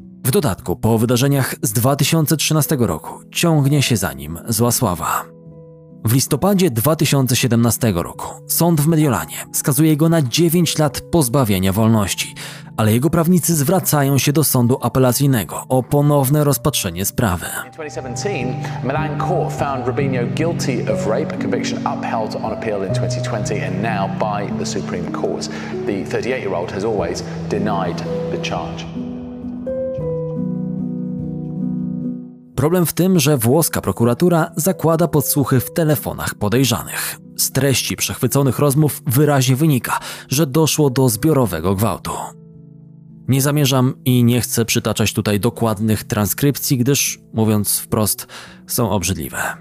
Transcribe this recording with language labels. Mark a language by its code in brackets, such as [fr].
[pl] W dodatku, po wydarzeniach z 2013 roku ciągnie się za nim zła sława. W listopadzie 2017 roku sąd w Mediolanie skazuje go na 9 lat pozbawienia wolności, ale jego prawnicy zwracają się do sądu apelacyjnego o ponowne rozpatrzenie sprawy. [en] W 2017 Milan court found Robinho guilty of rape, a conviction upheld on appeal in 2020 and now by the Supreme Court. The 38-year-old has always denied the charge. [pl] Problem w tym, że włoska prokuratura zakłada podsłuchy w telefonach podejrzanych. Z treści przechwyconych rozmów wyraźnie wynika, że doszło do zbiorowego gwałtu. Nie zamierzam i nie chcę przytaczać tutaj dokładnych transkrypcji, gdyż, mówiąc wprost, są obrzydliwe.